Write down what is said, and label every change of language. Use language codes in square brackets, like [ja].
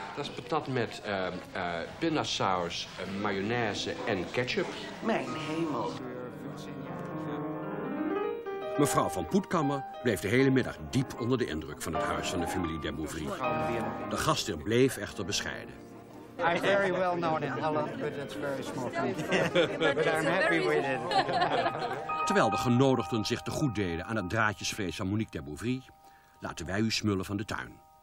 [nl] Dat is patat met pindasaus, mayonaise en ketchup. Mijn hemel. Mevrouw van Poetkammer bleef de hele middag diep onder de indruk van het huis van de familie der Mouvrie. De gastheer bleef echter bescheiden. [en] I'm very well known in Holland, but it's very small country. But I'm happy with it. [nl] Terwijl de genodigden zich te goed deden aan het draadjesfeest van Monique der Mouvrie, laten wij u smullen van de tuin.